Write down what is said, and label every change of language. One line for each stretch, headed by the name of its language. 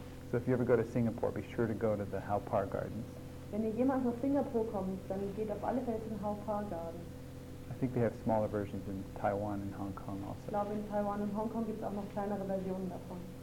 English: So if you ever go to Singapore, be sure to go to the Hau Par Gardens.
German: Wenn ihr jemals nach Singapur kommt, dann geht auf alle Fälle zum Hau Par Gardens.
English: I think they have smaller versions in Taiwan and Hong Kong also.
German: Ich glaube, in Taiwan und Hong Kong gibt es auch noch kleinere Versionen davon.